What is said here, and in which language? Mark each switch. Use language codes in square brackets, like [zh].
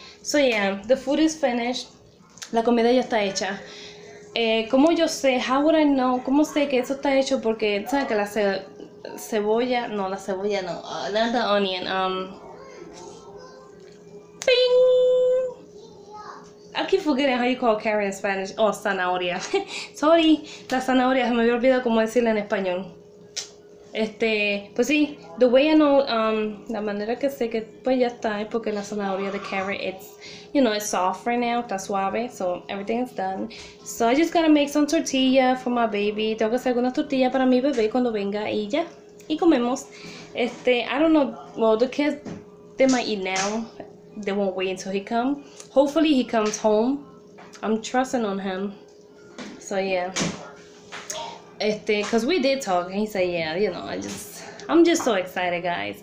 [en] So yeah, the food is finished. [es] La comida ya está hecha. ¿Cómo yo sé? [en] How would I know? [es] ¿Cómo sé que eso está hecho? Porque, ¿sabes que la cebolla? No, la cebolla no. [en] Not the onion. Bing! I keep forgetting how you call carrot in Spanish. [es] Oh, zanahoria. Sorry, la zanahoria. Se me había olvidado cómo decirla en español. Pues sí, [en] the way I know, [es] la manera que sé que pues ya está es porque la zanahoria, the carrot, [en] it's, you know, it's soft right now, [es] está suave, [en] so everything is done. So I just gotta make some tortilla for my baby. [es] Tengo que hacer algunas tortillas para mi bebé cuando venga y ya, y comemos. [en] I don't know, well, the kids, they might eat now. They won't wait until he come. Hopefully he comes home. I'm trusting on him. So yeah. Because we did talk, and he said, yeah, you know, I'm just so excited, guys.